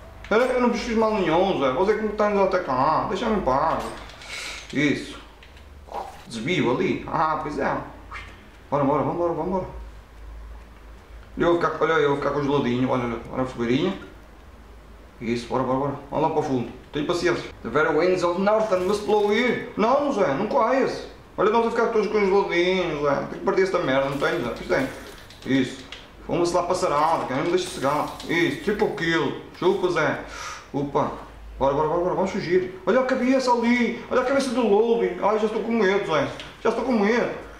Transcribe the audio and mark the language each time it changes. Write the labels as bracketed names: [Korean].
[Portuguese] Eu não preciso mal nenhum, Zé. Você que me está indo até cá. Deixa-me em paz. Isso. Desvio ali. Ah, pois é. Bora, bora, vambora, vambora. Eu vou ficar com... Olha, eu vou ficar com o geladinho. Olha, olha, olha a fogueirinha. Isso, bora, bora, bora. Vamos lá para o fundo. Tenho paciência. [English] The very winds of Northern must blow here. [Portuguese] Não, Zé, não caias. Olha, nós a ficar todos com os geladinhos, Zé. Tenho que partir esta merda, não tenho, Zé. Pois tem. Isso. Vamos lá para sarar, que não me deixa cegar. Isso, triple kill. Chupa, Zé. Opa. Bora, bora, bora, bora. Vamos fugir. Olha a cabeça ali. Olha a cabeça do lobby. Ai, já estou com medo, Zé. Já estou com medo.